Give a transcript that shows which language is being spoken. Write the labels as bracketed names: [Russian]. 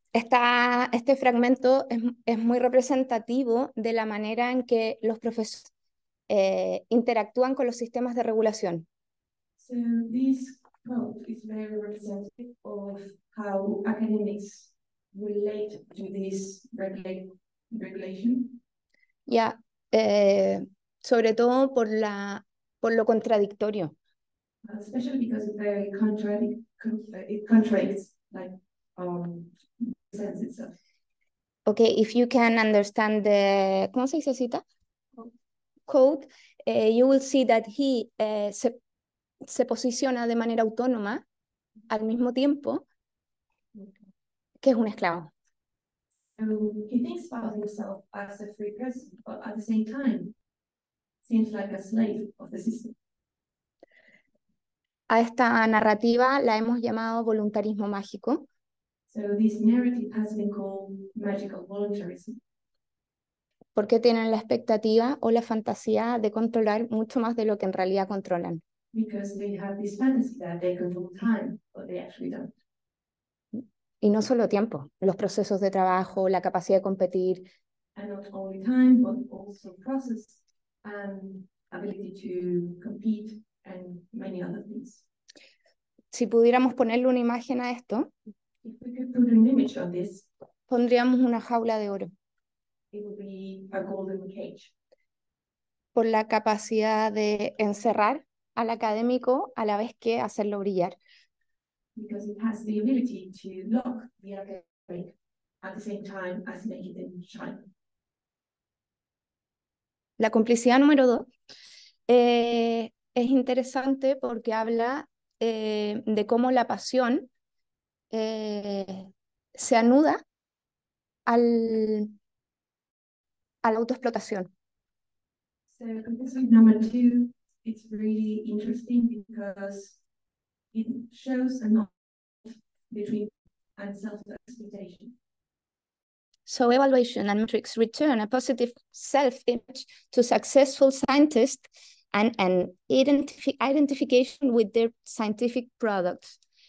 [Spanish] Este fragmento es muy representativo de la manera en que los profesores interactúan con los sistemas de regulación. [English] So this quote is very representative of how academics relate to this regulation. [Spanish] Yeah, sobre todo por lo contradictorio. [English] Especially because it's very it contradicts, presents itself. Okay, if you can understand the [Spanish] ¿cómo se dice cita? [English] Quote, you will see that he [Spanish] se posiciona de manera autónoma al mismo tiempo que es un esclavo. [English] He thinks about himself as a free person, but at the same time, seems like a slave of the system. [Spanish] A esta narrativa la hemos llamado voluntarismo mágico. [English] So this narrative has been called magical voluntarism. [Spanish] ¿Por qué tienen la expectativa o la fantasía de controlar mucho más de lo que en realidad controlan? [English] Because they have this fantasy that they control time, but they actually don't. [Spanish] Y no solo tiempo, los procesos de trabajo, la capacidad de competir. [English] And not only time, but also process and ability to compete and many other things. [Spanish] Si pudiéramos ponerle una imagen a esto, [English] if we could put an image on this, [Spanish] pondríamos una jaula de oro. [English] It would be a golden cage. [Spanish] Por la capacidad de encerrar al académico a la vez que hacerlo brillar. [English] Because it has the ability to lock the academic at the same time as making them shine. [Spanish] La complicidad número dos es interesante porque habla de cómo la pasión se anuda a la autoexplotación. [English] So, complicity number two, it's really interesting because it shows a knot between and self-exploitation. So, evaluation and metrics return a positive self-image to successful scientists and an identification with their scientific products.